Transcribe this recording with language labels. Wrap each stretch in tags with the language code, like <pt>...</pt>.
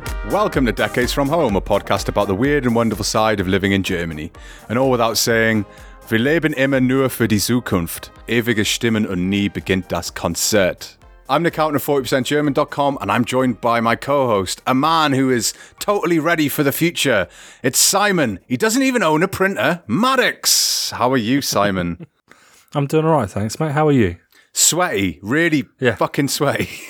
<en>Welcome to Decades From Home, a podcast about the weird and wonderful side of living in Germany. And all without saying,</en> <de>wir leben immer nur für die Zukunft. Ewige Stimmen und nie beginnt das Konzert.</de> <en>I'm Nick Houghton of 40%German.com, and I'm joined by my co-host, a man who is totally ready for the future. It's Simon. He doesn't even own a printer. Maddox! How are you, Simon? I'm doing all right, thanks, mate. How are you? Sweaty. Really fucking sweaty.</en>